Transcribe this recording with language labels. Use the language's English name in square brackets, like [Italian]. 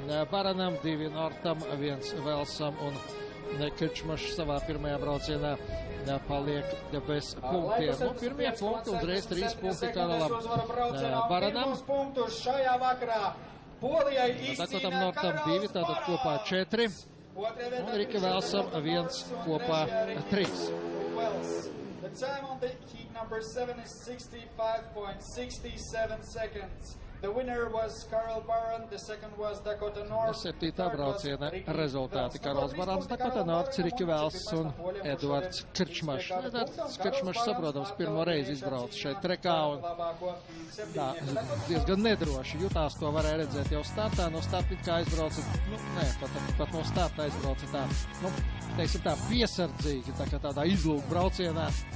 [Latvian] Baranam, divi Nortam, viens Velsam un Kečmaš savā pirmajā braucienā paliek bez punktiem. Nu, pirmie punkti, uzreiz trīs punkti Karolam Baranam. Tāko tam Nortam divi, tātad kopā četri. Un Riķi Velsam viens kopā trīs. [English] The time on the heat number 7 is 65.67 seconds. The winner was Karol Baran, the second was Dakota North. [Latvian] Septītā brauciena rezultāti. Karols Barans, Dakota North, Riķi Vēls un Edvards Kečmašs. Edvards Kečmašs, saprotams, pirmo reizi izbrauc šeit trekā. Un, tā, diezgan nedroši. Jutās to varēja redzēt jau startā. No starta kā izbrauca, nu, nē, pat no starta izbrauca tā, nu, teiksim tā piesardzīgi, tā kā tādā izlūka braucienā.